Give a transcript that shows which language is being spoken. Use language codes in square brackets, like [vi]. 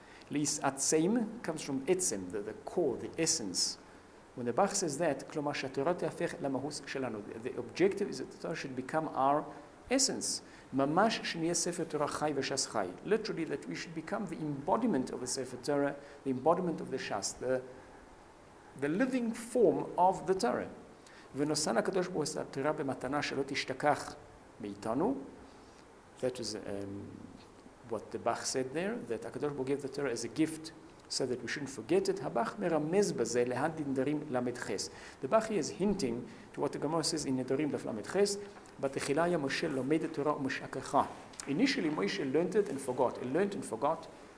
[en] Lis'atzeim comes from etzem, the core, the essence. When the Bach says that, [he] כלומר שהתורה תהפך למהות שלנו. [en] The objective is that the Torah should become our essence. [he] ממש שנהיה ספר תורה חי ושס חי. [en] Literally, that we should become the embodiment of the Sefer Torah, the embodiment of the Shas, the living form of the Torah. [he] ונוסן הקדוש ברוך הוא התורה במתנה שלא תשתכח מאיתנו. [en] That is what the Bach said there, that הקדוש ברוך הוא gave the Torah as a gift, so that we shouldn't forget it. [he] Habach meramez baze lehadin darim lamedches. [en] The Bachi is hinting to what the Gemara says in Nedarim daf lamedches. Batechilaya Moshe lomed the Torah umeshakecha. Initially, Moshe learned it and forgot. He learned and forgot.